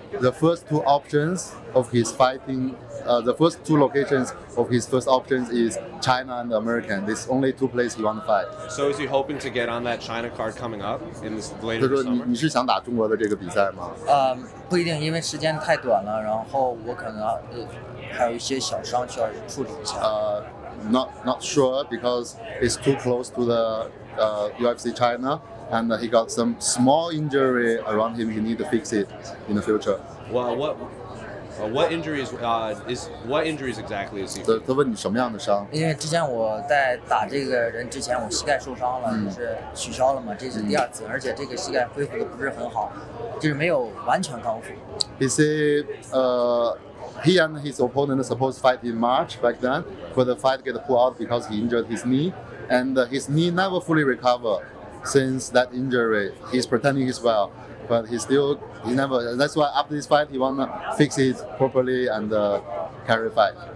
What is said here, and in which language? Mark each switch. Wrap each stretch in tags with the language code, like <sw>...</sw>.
<en>The first two options of his fighting, the first two locations of his first options is China and America. This only two places he want to fight. So is he hoping to get on that China card coming up in this later summer?</en> <zh>他说你是想打中国的这个比赛吗？不一定，因为时间太短了，然后我可能还有一些小伤需要处理一下。</zh> <en>Not sure because it's too close to the UFC China. And he got some small injury around him. He need to fix it in the future. Well, what injuries exactly is he?</en> <zh>他问你什么样的伤？因为之前我在打这个人之前，我膝盖受伤了，就是取消了嘛。这是第二次，而且这个膝盖恢复的不是很好，就是没有完全康复。</zh> <en>He said, he and his opponent supposed fight in March back then, but the fight get pulled out because he injured his knee, and his knee never fully recovered. Since that injury, he's pretending he's well, but he still, he never, that's why after this fight, he want to fix it properly and carry the fight.</en>